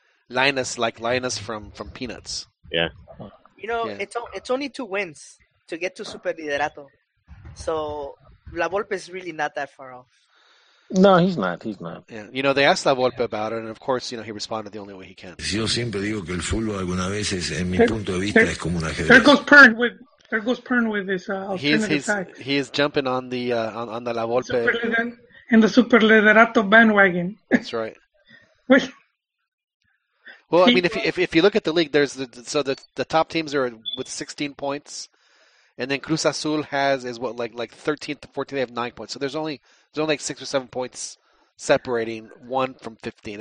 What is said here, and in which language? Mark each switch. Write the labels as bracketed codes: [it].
[en] Lainez, like Lainez from Peanuts. Yeah. It's only two wins to get to Super Liderato, so La Volpe is really not that far off. No, he's not. He's not. Yeah. They asked La Volpe about it, and of course, he responded the only way he can. [es] Yo siempre digo que el fútbol algunas veces, en mi punto de vista, es como una ajedrez. [en] There goes Pern with his alternative attack. He is jumping on the on the La Volpe in the Super Liderato bandwagon. That's right. if you look at the league, there's the top teams are with 16 points, and then Cruz Azul is 13th to 14th. They have 9 points, so there's only like 6 or 7 points separating one from 15.